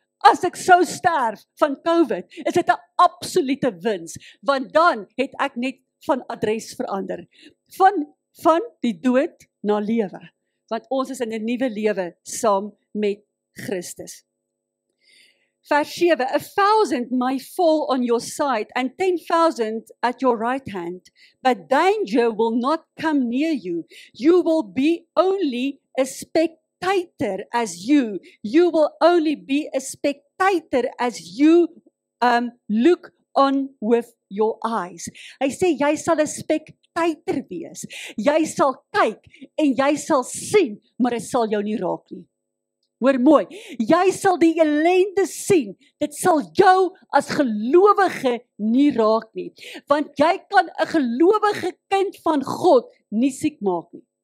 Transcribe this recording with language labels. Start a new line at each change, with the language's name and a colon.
Afrikaans: as ek sou sterf van COVID, is dit 'n absolute wins, want dan het ek net van adres verander. Van die dood na lewe, want ons is in 'n nuwe lewe saam met Christus.
English: Vers 7, 1,000 may fall on your side and 10,000 at your right hand, but danger will not come near you. You will be only a spectator as you. You will only be a spectator as you look on with your eyes.
Afrikaans: Hy sê, jy sal 'n spectator wees. Jy sal kyk en jy sal sien, maar dit sal jou nie raak nie. Hoor mooi, jy sal die ellende sien, dit sal jou as gelowige nie raak nie, want jy kan 'n gelowige kind van God nie siek maak nie.